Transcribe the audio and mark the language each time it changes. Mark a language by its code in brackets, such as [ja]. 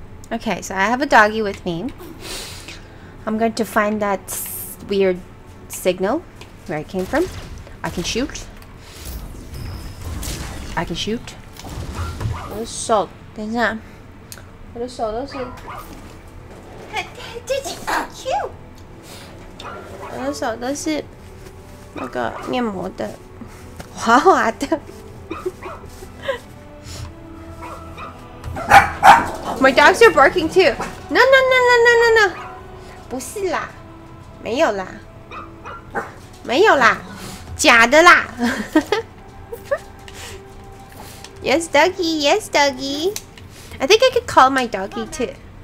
[en] Okay, so I have a doggy with me. I'm going to find that weird signal where it came from. I can shoot. [zh] 我的手，等一下，我的手都是，这啊 ，you， 我的手都是那个面膜的，滑滑的。 [en] My dogs are barking too. No. [zh] 不是啦，没有啦，没有啦，假的啦。 [en] yes, doggy. I think I could call my doggy too.